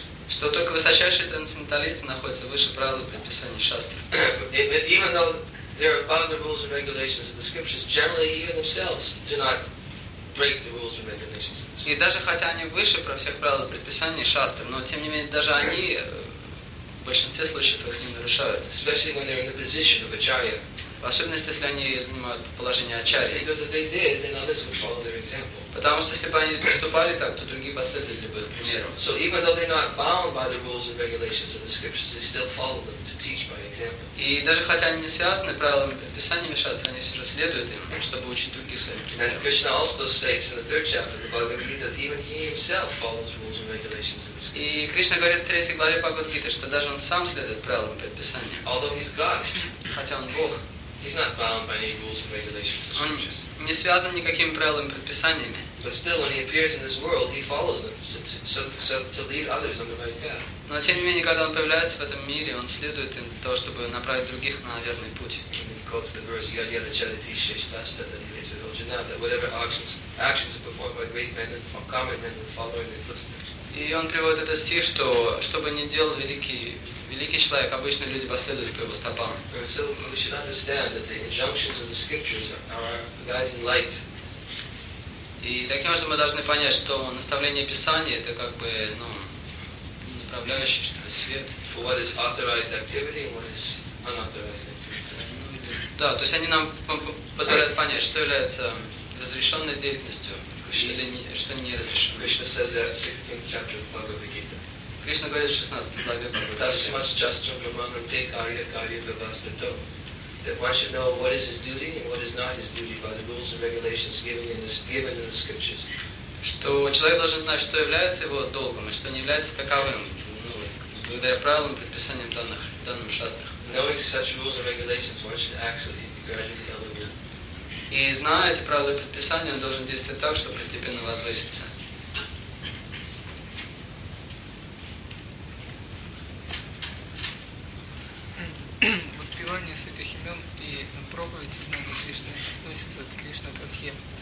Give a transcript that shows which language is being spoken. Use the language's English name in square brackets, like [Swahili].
[Russian] Что только высочайшие трансценденталисты находятся выше правил и предписаний шастры. [English] Even though there are above the rules and regulations of the scriptures, generally even themselves do not break the rules and regulations. [Russian] И даже хотя они выше про всех правил и предписаний шастры, но тем не менее даже они в большинстве случаев их не нарушают. [English] Especially when they're in the position of acharya. [Russian] В особенности, если они занимают положение ачарьи. [English] Because if they did, then others would follow their example. [Russian] Потому что если бы они поступали так, то другие последовали бы примеру. [English] So even though they're not bound by the rules and regulations of the scriptures, they still follow them to teach by example. [Russian] И даже хотя они не связаны правилами и предписаниями шастры, они все же следуют им, чтобы учить других своим примером. [English] And Krishna also states in the third chapter of the Bhagavad Gita that even he himself follows rules and regulations of the scriptures. [Russian] И Кришна говорит в третьей главе Бхагавад Гиты, что даже он сам следует правилам и предписаниям. [English] Although he's God. [Russian] Хотя он Бог. [English] He's not bound by any rules or regulations. [Russian] Он не связан никакими правилами и предписаниями. [English] But still, when he appears in this world, he follows them to lead others on the right path. [Russian] Но тем не менее, когда он появляется в этом мире, он следует им для того, чтобы направить других на верный путь. [English] He quotes the verse Yajna Chaliti Shishtashtadhirajana, that whatever actions are performed by great men and common men and following their footsteps. [Russian] И он приводит этот стих, что чтобы не делал великий человек, обычные люди последуют по его стопам. [English] So we should understand that the injunctions of the scriptures are our guiding light. [Russian] И таким образом мы должны понять, что наставление Писания это как бы, ну, направляющий, что ли, свет. [English] For what is authorized activity and what is unauthorized activity. [Russian] Да, то есть они нам позволяют понять, что является разрешенной деятельностью или что не разрешено. [English] Krishna says that 16th chapter of Bhagavad Gita. [Russian] Кришна говорит в 16 главе Бхагавад-гиты. [English] That one should know what is his duty and what is not his duty by the rules and regulations given in the scriptures. [Russian] Что человек должен знать, что является его долгом и что не является таковым, ну, благодаря правилам и предписаниям данным шастрах. [English] Knowing such rules and regulations, one should actually gradually elevate. [Russian] И зная эти правила и предписания, он должен действовать так, чтобы постепенно возвыситься. Воспевание святых имен и проповедь знания Кришны относится к Кришна-Кадхе.